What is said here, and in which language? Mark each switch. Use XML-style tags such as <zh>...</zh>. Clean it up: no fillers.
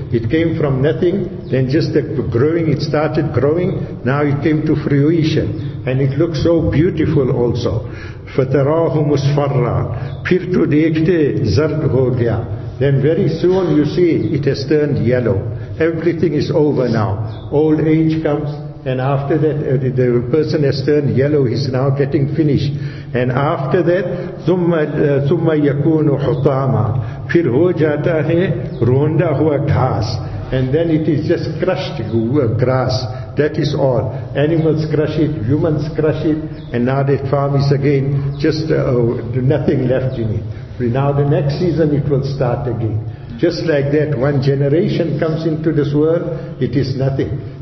<en>It came from nothing, then just the growing, it started growing, now it came to fruition, and it looks so beautiful also.</en> <ar>فَتَرَاهُ مُسْفَرًّا</ar> <ur>پھر تو دیکھتے زرد ہو گیا.</ur> <en>Then very soon you see it has turned yellow. Everything is over now. Old age comes, and after that the person has turned yellow, he's now getting finished. And after that,</en> <ar>ثُمَّ يَكُونُ حُطَامًا</ar> <ur>پھر ہو جاتا ہے روندا ہوا گھاس.</ur> <en>And then it is just crushed grass. That is all. Animals crush it, humans crush it, and now the farm is again just nothing left in it. Now the next season it will start again. Just like that, one generation comes into this world, it is nothing.</en>